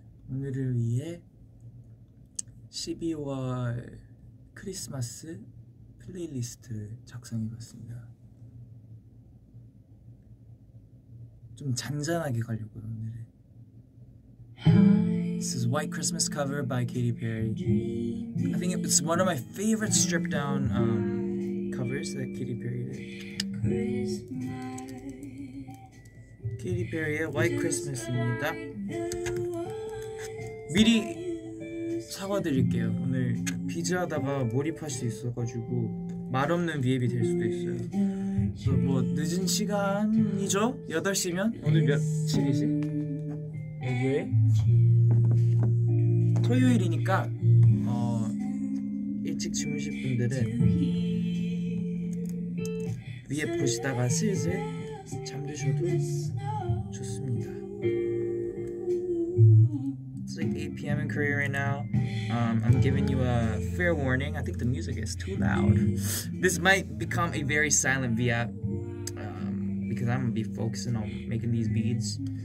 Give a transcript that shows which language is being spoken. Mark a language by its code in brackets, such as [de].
[ko] 오늘을 위해 12월 크리스마스 플레이리스트를 작성해봤습니다. 좀 잔잔하게 가려고요, 오늘은. [en] This is White Christmas cover by Katy Perry. I think it's one of my favorite stripped down covers that Katy Perry did. [ko] Katy Perry의 White Christmas입니다. 미리 사과드릴게요. 오늘 비즈 하다가 몰입할 수 있어가지고 말 없는 비앱이 될 수도 있어요. 뭐 늦은 시간이죠? 8시면? 오늘 몇 7이지? 목요일? 토요일이니까 일찍 주무실 분들은 위에 보시다가 슬슬 잠드셔도 좋습니다. [en] It's like 8 p.m. in Korea right now. I'm giving you a fair warning. I think the music is too loud. This might become a very silent V-App because I'm gonna be focusing on making these beads.